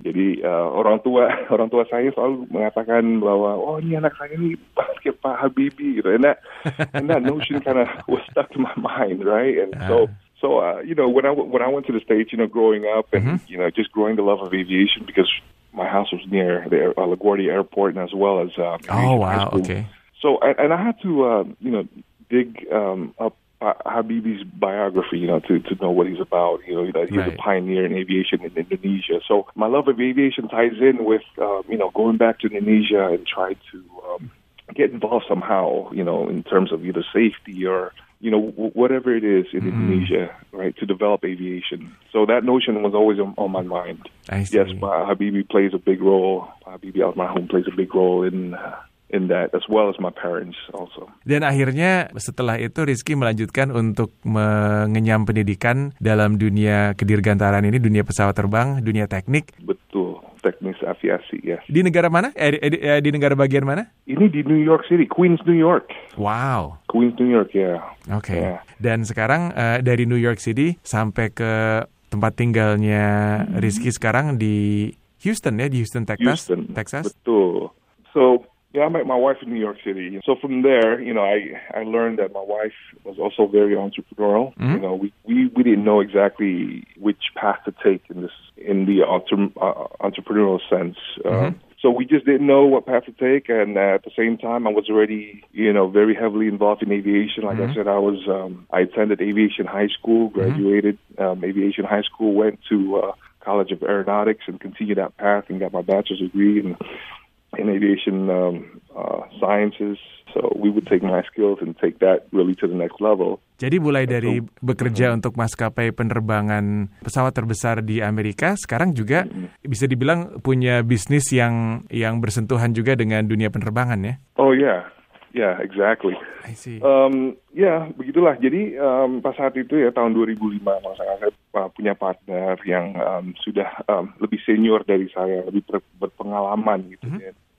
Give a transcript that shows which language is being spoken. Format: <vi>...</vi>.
<id>Jadi orang tua saya selalu mengatakan bahwa, oh ini anak saya ini pasti Pak Habibie. Gitu.</id> <en>And that notion kind of was stuck to my mind, right? And So, you know, when I went to the States, you know, growing up and, you know, just growing the love of aviation because my house was near the LaGuardia Airport and as well as... Oh, wow, okay. So, and I had to, you know, dig up Habibie's biography, you know, to know what he's about, you know, that he's right. a pioneer in aviation in Indonesia. So my love of aviation ties in with, you know, going back to Indonesia and try to get involved somehow, you know, in terms of either safety or, you know, whatever it is in Indonesia, right, to develop aviation. So that notion was always on my mind. I see. Yes, Habibie plays a big role. Habibie Almarhum plays a big role in that, as well as my parents also.</en> <id>Dan akhirnya setelah itu Rizky melanjutkan untuk mengenyam pendidikan dalam dunia kedirgantaraan ini, dunia pesawat terbang, dunia teknik. Betul, teknis aviasi,</id> <en>yes.</en> <id>Di negara mana? Di negara bagian mana? Ini di New York City, Queens, New York.</id> <en>Wow. Queens, New York, yeah. Okay. Yeah.</en> <id>Dan sekarang dari New York City sampai ke tempat tinggalnya Rizky sekarang di Houston, ya, di Houston, Texas. Houston, Texas. Betul.</id> <en>So, yeah, I met my wife in New York City. So from there, you know, I learned that my wife was also very entrepreneurial. Mm-hmm. You know, we didn't know exactly which path to take in the entrepreneurial sense. So we just didn't know what path to take. And at the same time, I was already, you know, very heavily involved in aviation. Like I said, I was I attended aviation high school, graduated aviation high school, went to College of Aeronautics and continued that path and got my bachelor's degree in aviation sciences. So we would take my skills and take that really to the next level.</en> <id>Jadi mulai dari bekerja untuk maskapai penerbangan pesawat terbesar di Amerika, sekarang juga bisa dibilang punya bisnis yang bersentuhan juga dengan dunia penerbangan, ya?</id> <en>Oh yeah, yeah, exactly. I see.</en> <id>Yeah, begitulah. Jadi pas saat itu ya tahun 2005, saya punya partner yang sudah lebih senior dari saya, lebih berpengalaman gitu ya.</id>